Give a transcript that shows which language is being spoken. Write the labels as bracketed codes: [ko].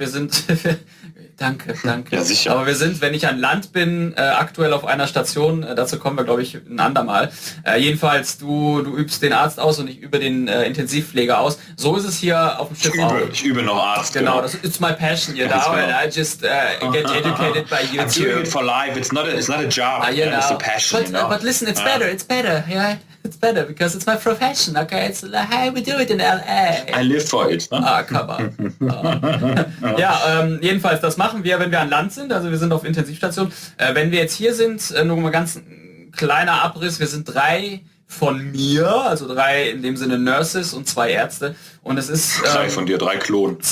[de] Wir sind, danke. Ja, sicher. Aber wir sind, wenn ich an Land bin, aktuell auf einer Station, dazu kommen wir, glaube ich, ein andermal. Jedenfalls, du übst den Arzt aus und ich übe den Intensivpfleger aus. So ist es hier auf dem Schiff auch. Ich übe noch Arzt. Genau, das ist [en] my passion [de] hier. Da, genau. [en] I just get educated by you. I'm doing it for life. It's not a job. It's a passion. But, you know? But listen, it's better. It's better. Yeah. It's better because it's my profession, okay? It's like, hey, we do it in LA. I live for it. Ne? Ah, come on. [de] Ja, jedenfalls, das machen wir, wenn wir an Land sind. Also wir sind auf Intensivstation. Wenn wir jetzt hier sind, nur mal ganz kleiner Abriss. Wir sind drei von mir, also drei in dem Sinne Nurses und zwei Ärzte. Und es ist... drei von dir, drei Klon.